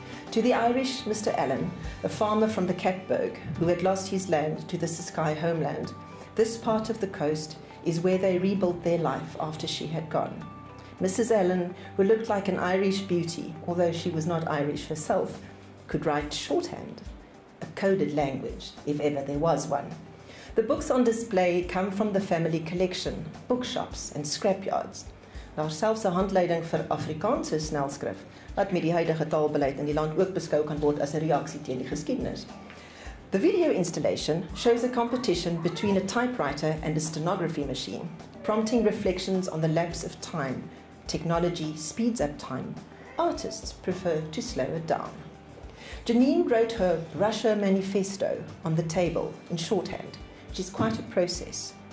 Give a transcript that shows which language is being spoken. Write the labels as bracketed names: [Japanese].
[English] To the Irish Mr. Allen, a farmer from the Catburg, who had lost his land to the Siskai homeland, this part of the coast is where they rebuilt their life after she had gone. Mrs. Allen, who looked like an Irish beauty, although she was not Irish herself, could write shorthand, a coded language, if ever there was one. The books on display come from the family collection, bookshops and scrapyards. [Afrikaans] Nou selfs 'n handleiding vir Afrikaanse snelskrif wat met die huidige taalbeleid in die land ook beskou kan word as 'n reaksie teen die geskiedenis. [English] The video installation shows a competition between a typewriter and a stenography machine, prompting reflections on the lapse of time. Technology speeds up time. Artists prefer to slow it down. Janine wrote her Russia manifesto on the table in shorthand, which is quite a process.